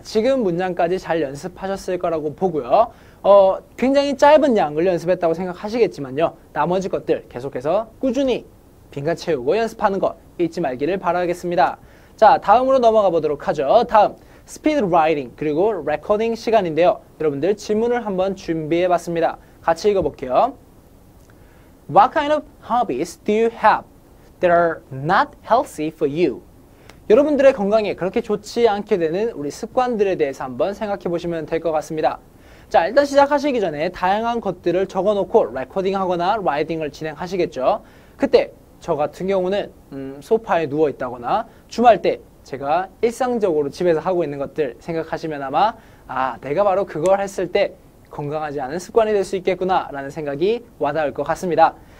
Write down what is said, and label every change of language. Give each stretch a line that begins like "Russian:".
Korean: 지금 문장까지 잘 연습하셨을 거라고 보고요. 굉장히 짧은 양을 연습했다고 생각하시겠지만요. 나머지 것들 계속해서 꾸준히 빈칸 채우고 연습하는 것 잊지 말기를 바라겠습니다. 자, 다음으로 넘어가 보도록 하죠. 다음, 스피드 라이팅 그리고 레코딩 시간인데요. 여러분들 질문을 한번 준비해봤습니다. 같이 읽어볼게요.
English: What kind of hobbies do you have that are not healthy for you?
Korean: 여러분들의 건강에 그렇게 좋지 않게 되는 우리 습관들에 대해서 한번 생각해 보시면 될 것 같습니다. 자, 일단 시작하시기 전에 다양한 것들을 적어놓고 레코딩하거나 라이딩을 진행하시겠죠. 그때 저 같은 경우는 소파에 누워있다거나 주말 때 제가 일상적으로 집에서 하고 있는 것들 생각하시면 아마 아, 내가 바로 그걸 했을 때 건강하지 않은 습관이 될 수 있겠구나 라는 생각이 와닿을 것 같습니다.